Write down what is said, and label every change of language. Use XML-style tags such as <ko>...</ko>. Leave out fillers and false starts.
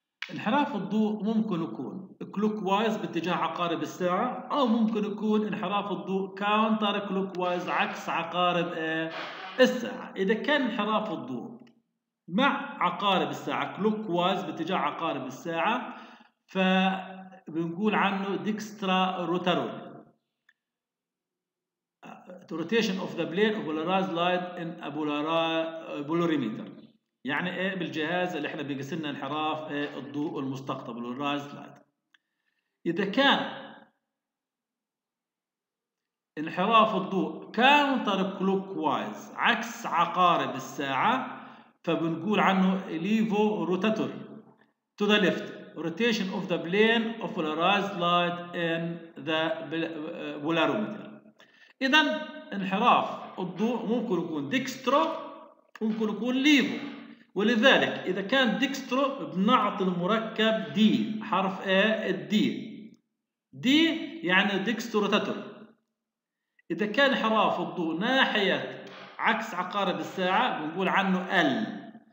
<ar>انحراف الضوء ممكن يكون كلوك وايز باتجاه عقارب الساعة، أو ممكن يكون انحراف الضوء كاونتر كلوك وايز عكس عقارب الساعة. إذا كان انحراف الضوء مع عقارب الساعة كلوك وايز باتجاه عقارب الساعة، فبنقول عنه ديكسترا روتارول.</ar> <en>The rotation of the plane of polarized light in a polarimeter.</en> <ar>يعني بالجهاز اللي احنا بيقسمنا انحراف الضوء المستقطب polarized light. إذا كان انحراف الضوء counter clockwise عكس عقارب الساعة، فبنقول عنه</ar> <en>levo rotator to the left. Rotation of the plane of polarized light in the polarimeter.</en> <ar>إذا انحراف الضوء ممكن يكون ديكسترو، ممكن يكون ليفو. ولذلك إذا كان ديكسترو بنعطي المركب دي، حرف الدي، دي يعني ديكستروتاتور. إذا كان انحراف الضوء ناحية عكس عقارب الساعة بنقول عنه ال.</ar>